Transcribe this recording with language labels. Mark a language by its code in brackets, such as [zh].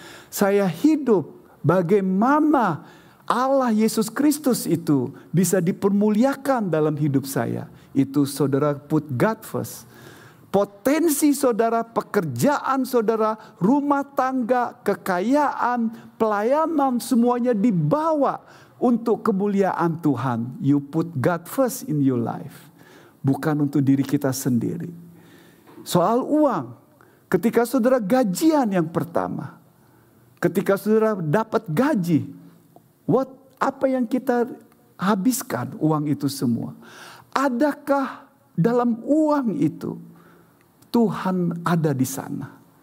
[id] Saya hidup bagaimana Allah Yesus Kristus itu bisa dipermuliakan dalam hidup saya. Itu saudara [en] put God first. [id] Potensi saudara, pekerjaan saudara, rumah tangga, kekayaan, pelayanan semuanya dibawa untuk kemuliaan Tuhan. [en] You put God first in your life. [id] Bukan untuk diri kita sendiri. Soal uang, ketika saudara gajian yang pertama, ketika saudara dapat gaji, what apa yang kita habiskan uang itu semua? Adakah dalam uang itu Tuhan ada di sana?